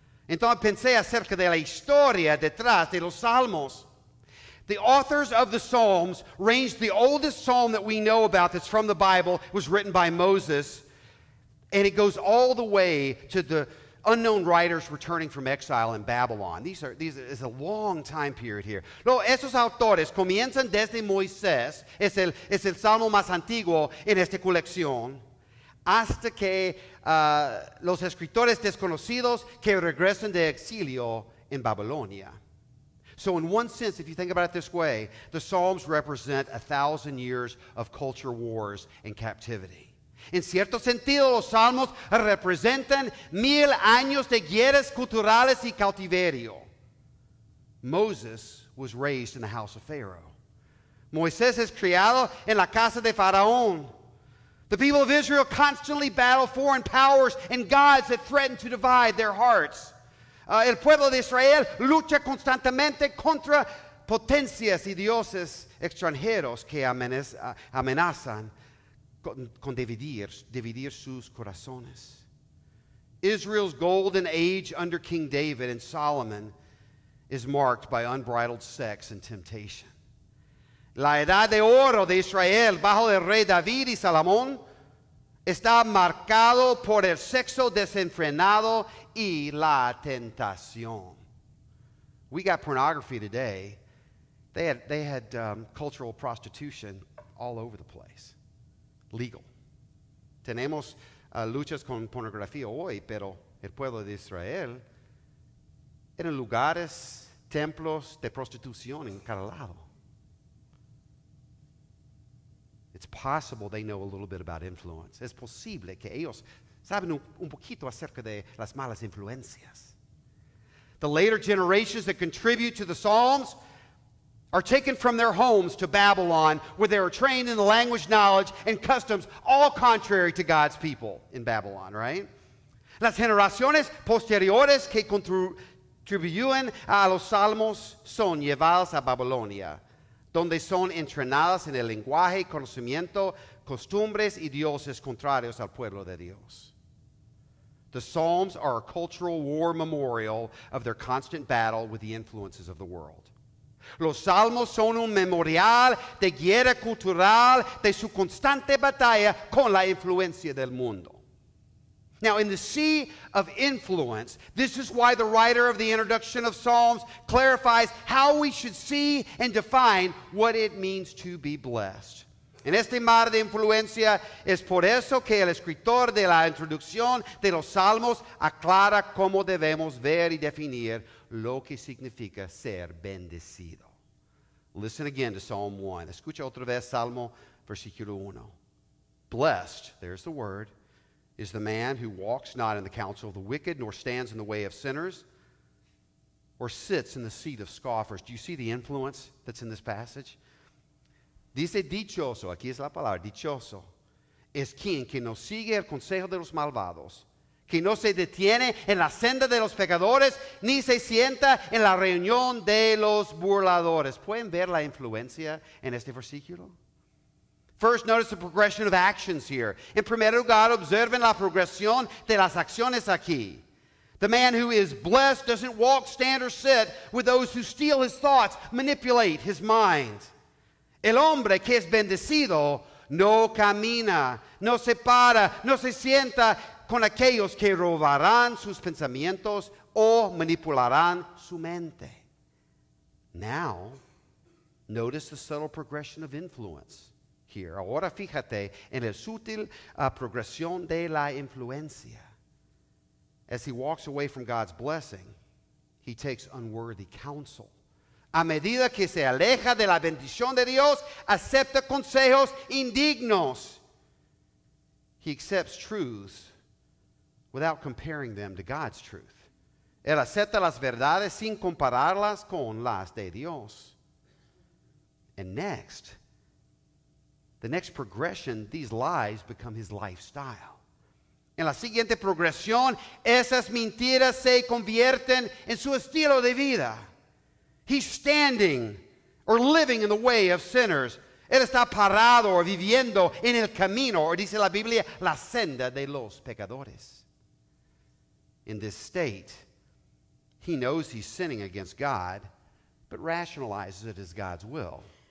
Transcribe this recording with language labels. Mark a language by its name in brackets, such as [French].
[Spanish] Entonces pensé acerca de la historia detrás de los Salmos. [English] The authors of the Psalms ranged the oldest psalm that we know about that's from the Bible. It was written by Moses. And it goes all the way to the unknown writers returning from exile in Babylon. This is a long time period here. [Spanish] No, esos autores comienzan desde Moisés, es el salmo más antiguo en esta colección, hasta que los escritores desconocidos que regresan de exilio en Babilonia. [English] So in one sense, if you think about it this way, the Psalms represent 1,000 years of culture wars and captivity. [Spanish] En cierto sentido, los salmos representan 1,000 años de guerras culturales y cautiverio. [English] Moses was raised in the house of Pharaoh. [Spanish] Moisés es criado en la casa de Faraón. [English] The people of Israel constantly battle foreign powers and gods that threaten to divide their hearts. [Spanish] El pueblo de Israel lucha constantemente contra potencias y dioses extranjeros que amenazan. Con dividir sus corazones. [English] Israel's golden age under King David and Solomon is marked by unbridled sex and temptation. [Spanish] La edad de oro de Israel bajo el rey David y Salomón está marcado por el sexo desenfrenado y la tentación. [English] We got pornography today. They had cultural prostitution all over the place. Legal. [Spanish] Tenemos luchas con pornografía hoy, pero el pueblo de Israel eran lugares, templos de prostitución en cada lado. [English] It's possible they know a little bit about influence. [Spanish] Es posible que ellos saben un poquito acerca de las malas influencias. [English] The later generations that contribute to the Psalms are taken from their homes to Babylon, where they are trained in the language, knowledge, and customs, all contrary to God's people in Babylon, right? [Spanish] Las generaciones posteriores que contribuyen a los salmos son llevadas a Babilonia, donde son entrenadas en el lenguaje, conocimiento, costumbres y dioses contrarios al pueblo de Dios. [English] The Psalms are a cultural war memorial of their constant battle with the influences of the world. [Spanish] Los salmos son un memorial de guerra cultural de su constante batalla con la influencia del mundo. [English] Now, in the sea of influence, this is why the writer of the introduction of Psalms clarifies how we should see and define what it means to be blessed. [Spanish] En este mar de influencia, es por eso que el escritor de la introducción de los Salmos aclara cómo debemos ver y definir lo que significa ser bendecido. [English] Listen again to Psalm 1. [Spanish] Escucha otra vez Salmo, versículo 1. [English] Blessed, there's the word, is the man who walks not in the counsel of the wicked, nor stands in the way of sinners, or sits in the seat of scoffers. Do you see the influence that's in this passage? [Spanish] Dice dichoso, aquí es la palabra, dichoso, es quien que no sigue el consejo de los malvados, que no se detiene en la senda de los pecadores, ni se sienta en la reunión de los burladores. ¿Pueden ver la influencia en este versículo? [English] First, notice the progression of actions here. [Spanish] En primer lugar, observen la progresión de las acciones aquí. [English] The man who is blessed doesn't walk, stand, or sit with those who steal his thoughts, manipulate his mind. [Spanish] El hombre que es bendecido no camina, no se para, no se sienta con aquellos que robarán sus pensamientos o manipularán su mente. [English] Now, notice the subtle progression of influence here. [Spanish] Ahora fíjate en la sutil progresión de la influencia. [English] As he walks away from God's blessing, he takes unworthy counsel. [Spanish] A medida que se aleja de la bendición de Dios, acepta consejos indignos. [English] He accepts truths without comparing them to God's truth. [Spanish] Él acepta las verdades sin compararlas con las de Dios. [English] And next, the next progression, these lies become his lifestyle. [Spanish] En la siguiente progresión, esas mentiras se convierten en su estilo de vida. [English] He's standing or living in the way of sinners. [Spanish] Él está parado o viviendo en el camino, or dice la Biblia, la senda de los pecadores. [English] In this state, he knows he's sinning against God, but rationalizes it as God's will.